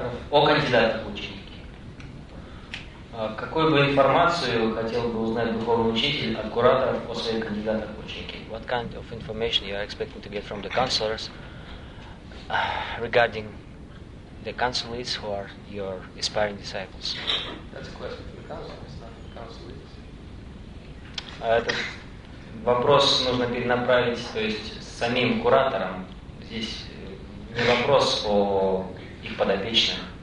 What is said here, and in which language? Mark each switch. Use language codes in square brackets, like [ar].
[ru] О кандидатах ученики. Какую бы информацию хотел бы узнать духовный учитель от кураторов о своих кандидатах ученики? [en] What kind of information you are expecting to get from the counselors regarding the counselees who are your aspiring disciples? That's a question for the counselors, not the counselees. [ru] Этот вопрос нужно перенаправить, то есть самим кураторам. Здесь не вопрос о их подопечных.